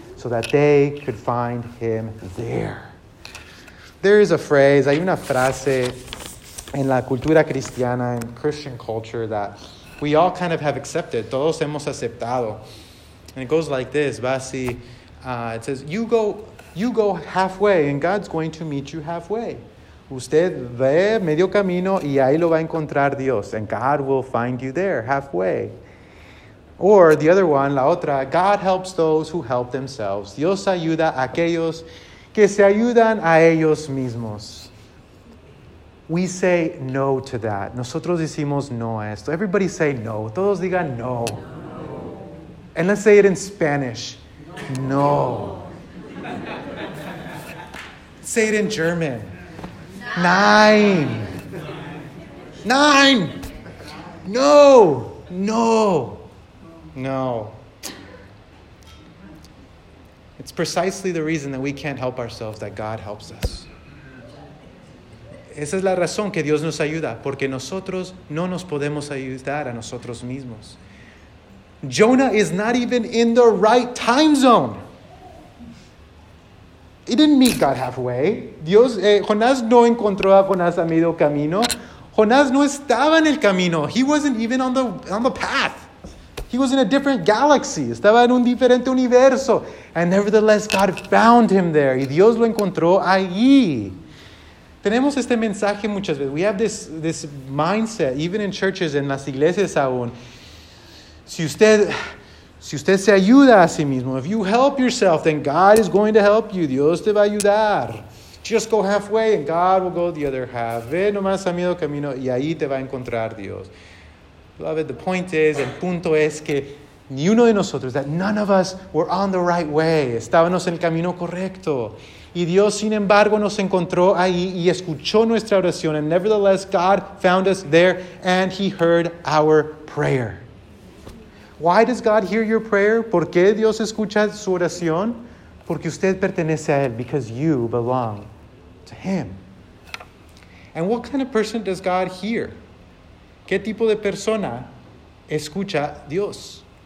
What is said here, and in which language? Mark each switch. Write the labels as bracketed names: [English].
[English] So that they could find Him there. There is a phrase, [Spanish] hay una frase en la cultura cristiana, [English] in Christian culture, that we all kind of have accepted. [Spanish] Todos hemos aceptado. [English] And it goes like this, [Spanish] va así. [English] It says, you go halfway and God's going to meet you halfway. [Spanish] Usted ve medio camino y ahí lo va a encontrar Dios. [English] And God will find you there halfway. Or the other one, [Spanish] la otra, [English] God helps those who help themselves. [Spanish] Dios ayuda a aquellos que se ayudan a ellos mismos. [English] We say no to that. [Spanish] Nosotros decimos no a esto. [English] Everybody say no. [Spanish] Todos digan no. [English] And let's say it in Spanish. [Spanish] No. [English] Say it in German. [German] Nein. Nein. [English] No. No. No. It's precisely the reason that we can't help ourselves that God helps us. [Spanish] Esa es la razón que Dios nos ayuda, porque nosotros no nos podemos ayudar a nosotros mismos. [English] Jonah is not even in the right time zone. He didn't meet God halfway. [Spanish] Jonás no encontró a Jonás a medio camino. Jonás no estaba en el camino. [English] He wasn't even on the path. He was in a different galaxy. [Spanish] Estaba en un diferente universo. [English] And nevertheless, God found him there. [Spanish] Y Dios lo encontró allí. Tenemos este mensaje muchas veces. [English] We have this mindset, even in churches, [Spanish] en las iglesias aún. Si usted se ayuda a sí mismo, [English] if you help yourself, then God is going to help you. [Spanish] Dios te va a ayudar. [English] Just go halfway and God will go the other half. [Spanish] Ve nomás a medio camino y ahí te va a encontrar Dios. [English] Beloved, the point is, [Spanish] el punto es que ni uno de nosotros, [English] that none of us were on the right way. [Spanish] Estábamos en el camino correcto. Y Dios, sin embargo, nos encontró ahí y escuchó nuestra oración. [English] And nevertheless, God found us there and He heard our prayer. Why does God hear your prayer? [Spanish] ¿Por qué Dios escucha su oración? Porque usted pertenece a Él. [English] Because you belong to Him. And what kind of person does God hear? [Spanish] ¿Qué tipo de persona escucha Dios?